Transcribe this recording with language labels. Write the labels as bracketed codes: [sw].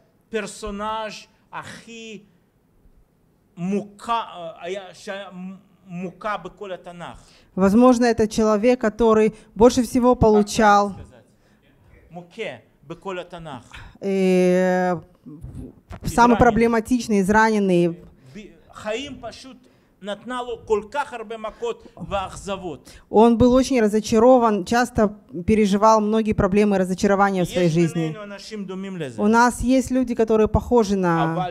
[he] Персонаж הכי מוכה בכל התנ"ך. [ru] Возможно, это человек, который больше всего получал [he] מוכה בכל התנ"ך. [ru] Самый проблематичный, израненный. [he] Хаим פשוט נתנה לו כל כך הרבה מכות ואכזבות. [ru] Он был очень разочарован, часто переживал многие проблемы и разочарования в своей жизни. У нас есть люди, которые похожи на